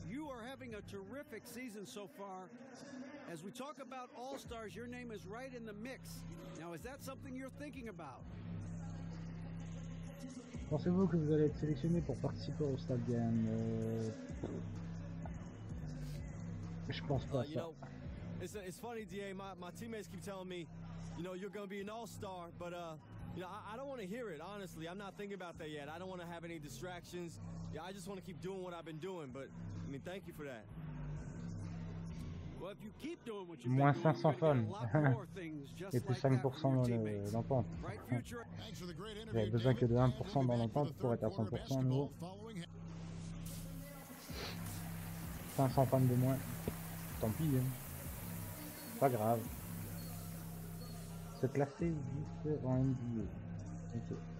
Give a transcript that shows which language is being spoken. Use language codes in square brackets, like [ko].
[en] You are having a terrific season so far. As we talk about All-Stars, your name is right in the mix. Now, is that something you're thinking about? [fr] Pensez-vous que vous allez être sélectionné pour participer au Star Game? Je pense pas. [en] You know, it's funny, DA. My teammates keep telling me, you know, you're going to be an All-Star, but you know, I don't want to hear it, honestly. I'm not thinking about that yet. I don't want to have any distractions. Yeah, I just want to keep doing what I've been doing, but I mean, thank you for that. Well, if you keep doing what you've been doing, you're going to get a lot more things just like that from your teammates. Bright future. Thanks for the great interview. [fr] J'avais besoin que de 1% dans l'entente pour être à 100% à nouveau. 500 fans de moins. Tant pis, hein. Pas grave. Se classer juste en NBA. Ok.